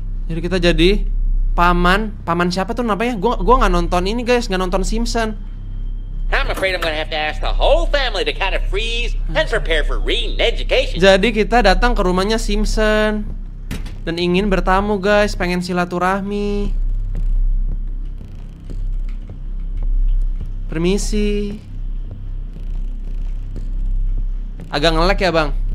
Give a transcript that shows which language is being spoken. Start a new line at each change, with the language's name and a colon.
Indonesian: Jadi kita jadi paman siapa tuh namanya? Gua enggak nonton ini guys, enggak nonton Simpson.
English: I'm afraid I'm gonna have to ask the whole family to kind of freeze and prepare for re-education.
Indonesian: Jadi kita datang ke rumahnya Simpson dan ingin bertamu guys, pengen silaturahmi. Permisi. Agak nge-lag ya, Bang?